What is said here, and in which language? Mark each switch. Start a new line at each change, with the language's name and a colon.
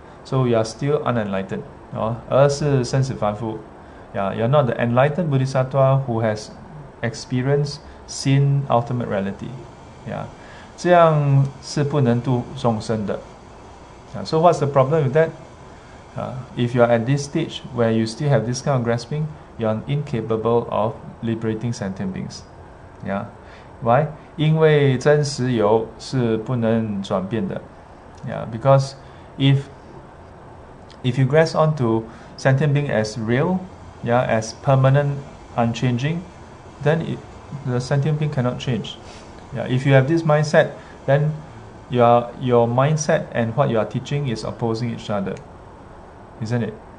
English: So you are still unenlightened.
Chinese: 而是生死凡夫,
English: you're not the enlightened bodhisattva who has experienced seen ultimate reality.
Chinese: 这样是不能度众生的.
English: So what's the problem with that? If you are at this stage where you still have this kind of grasping, you're incapable of liberating sentient beings. Why?
Chinese: 因为真实有是不能转变的.
English: Because if you grasp onto sentient being as real, as permanent, unchanging, then the sentient being cannot change. If you have this mindset, then your mindset and what you are teaching is opposing each other, isn't it?